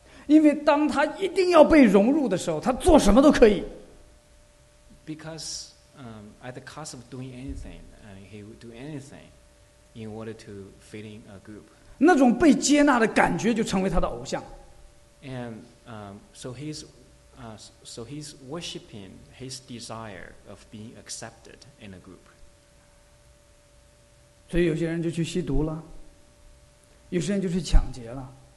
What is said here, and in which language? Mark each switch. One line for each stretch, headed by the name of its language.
Chinese: 因为当他一定要被融入的时候，他做什么都可以。
English: Because at the cost of doing anything, he would do anything in order to fit in a group.
Chinese: 那种被接纳的感觉就成为他的偶像。
English: And so he's worshiping his desire of being accepted in a group.
Chinese: 所以有些人就去吸毒了，有些人就去抢劫了。